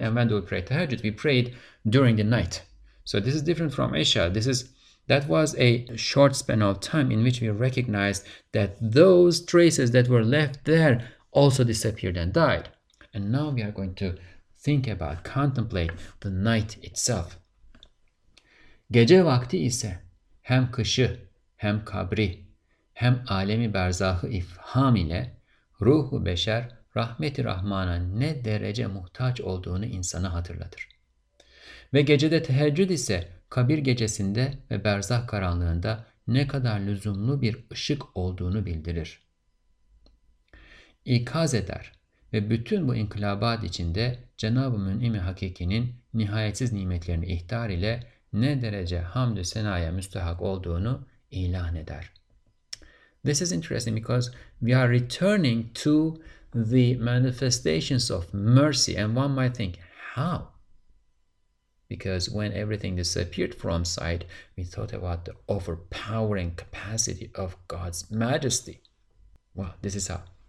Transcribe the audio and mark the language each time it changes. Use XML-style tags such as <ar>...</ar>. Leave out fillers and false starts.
<en>And when do we pray Tahajjud? We prayed during the night. So this is different from Isha. That was a short span of time in which we recognized that those traces that were left there also disappeared and died. And now we are going to think about, contemplate the night itself.</en> <tr>Gece vakti ise hem kışı hem kabri hem alemi berzahı ifham ile ruhu beşer rahmeti rahmana ne derece muhtaç olduğunu insana hatırlatır. Ve gecede teheccüd ise kabir gecesinde ve berzah karanlığında ne kadar lüzumlu bir ışık olduğunu bildirir. İkaz eder ve bütün bu inkılabat içinde Cenab-ı Mün'im-i Hakiki'nin nihayetsiz nimetlerini ihtar ile ne derece hamdü senaya müstehak olduğunu ilan eder.</tr> <en>This is interesting because we are returning to the manifestations of mercy. And one might think, how? Because when everything disappeared from sight, we thought about the overpowering capacity of God's majesty. Well, this is how.</en>